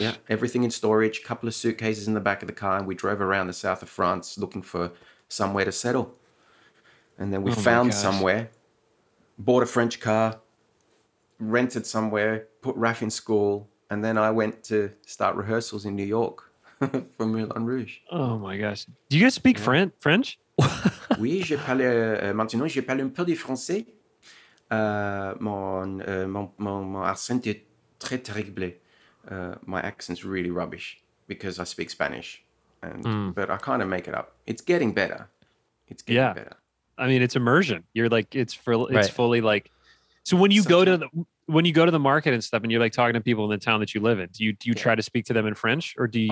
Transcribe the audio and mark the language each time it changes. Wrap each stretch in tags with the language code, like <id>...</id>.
<en>Yeah, everything in storage, a couple of suitcases in the back of the car, and we drove around the south of France looking for somewhere to settle. And then we found somewhere, bought a French car, rented somewhere, put Raf in school, and then I went to start rehearsals in New York for Moulin Rouge. Oh my gosh. Do you guys speak French?</en> <fr>Oui, je parle maintenant, je parle un peu de français. Mon accent est très terrible.</fr> <en>My accent's really rubbish because I speak Spanish, but I kind of make it up. It's getting better. It's getting better. I mean, it's immersion. You're like, fully like, so when you go to the market and stuff, and you're like talking to people in the town that you live in, do you try to speak to them in French, or do you?</en>